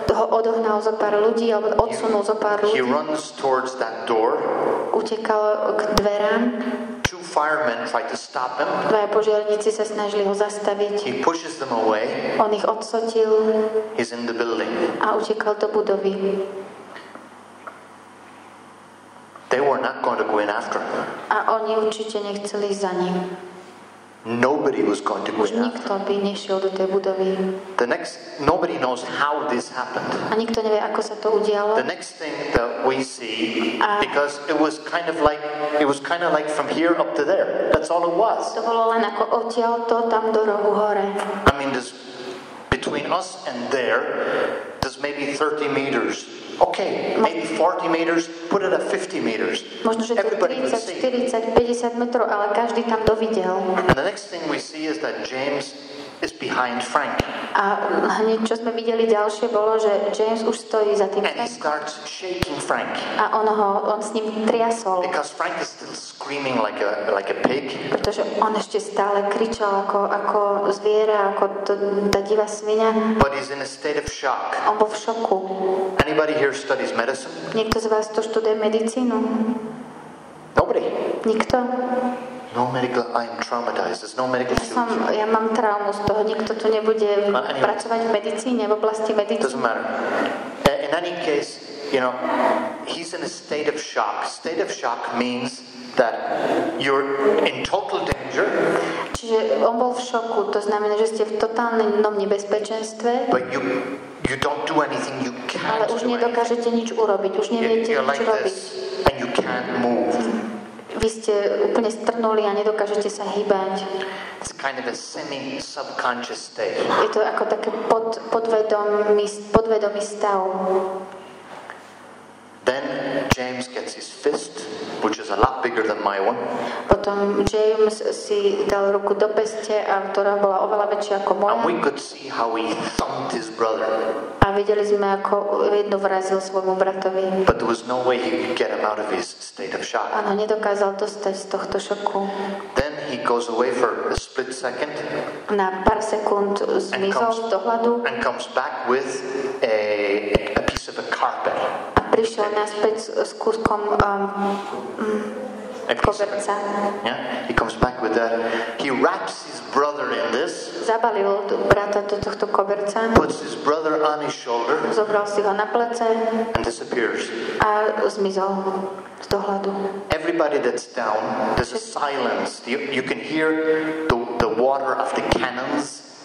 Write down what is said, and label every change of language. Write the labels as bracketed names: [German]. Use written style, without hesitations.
[Slovak] odohnal zo pár ľudí alebo odsunul zo pár ľudí. [English] He runs towards that door, [Slovak] utekal k dverám. [English] Two firemen try to stop him. [Slovak] Dvaja požiarníci sa snažili ho zastaviť. [English] He pushes them away. [Slovak] On ich odsotil. [English] He's in the building. [Slovak] A utekal do budovy. [English] They were not going to go in after him. [Slovak] A oni určite nechceli ísť za ním. [English] Nobody was going to go in. [Slovak] Nikto by nešiel do tej budovy. [English] The next, nobody knows how this happened. [Slovak] A nikto nevie, ako sa to udialo. [English] The next thing that we see, because it was kind of like from here up to there. That's all it was. [Slovak] To bolo len ako odtiaľto tam do rohu hore. [English] I mean, this between us and there, there's maybe 30 meters. Okay, maybe 40 meters, put it at 50 meters. [Slovak] Možno, že [English] everybody 30, could see. [Slovak] 40, 50 metrov, ale každý tam dovidel. [English] And the next thing we see is that James is behind Frank. [Slovak] A hneď, čo sme videli ďalšie, bolo, že James už stojí za tým [English] Frank. And he starts shaking Frank. [Slovak] A on s ním triasol. [English] Because Frank is still screaming like a pig. [Slovak] Pretože on ešte stále kričal ako zviera, ako tá divá svinia. [English] But he's in a state of shock. [Slovak] On bol v šoku. [English] Anybody here studies medicine? [Slovak] Niekto z vás to študuje medicínu? [English] Nobody. [Slovak] Nikto? [English] No medical, I'm traumatized. There's no medical field. [Slovak] Ja mám traumu z toho. Nikto tu nebude pracovať v medicíne, v oblasti medicíny. [English] Doesn't matter. In any case, you know, he's in a state of shock. State of shock means that you're in total danger. [Slovak] Čiže on bol v šoku. To znamená, že ste v totálnom nebezpečenstve. [English] But you don't do anything. You can't [Slovak] ale už nedokážete nič urobiť. Už neviete, [English] you're like [Slovak] čo robiť. [English] This, and you can't move. [Slovak] Vy ste úplne strnuli a nedokážete sa hýbať. [English] It's kind of a semi-subconscious state. [Slovak] Je to ako také podvedomý stav. [English] Then James gets his fist, which is a lot bigger than my one. [Slovak] Potom James si dal ruku do peste, a ktorá bola oveľa väčšia ako moja. [English] And we could see how he thumped his brother. [Slovak] A videli sme, ako jedno vrazil svojmu bratovi. [English] But there was no way he could get him out of his state of shock. [Slovak] Ano, nedokázal dostať z tohto šoku. [English] Then he goes away for a split second. [Slovak] Na pár sekúnd zmizol z dohľadu. [English] And comes back with a piece of a carpet. [Slovak] A prišiel naspäť s kúskom koberca. [English] Yeah, he comes back with that. He wraps his brother in this. [Slovak] Zabalil brata do tohto koberca. [English] Puts his brother on his shoulder. [Slovak] Zobral si ho na plece. [English] And disappears. [Slovak] A zmizol z dohľadu. [English] Everybody that's down, there's a silence. You can hear the water of the cannons.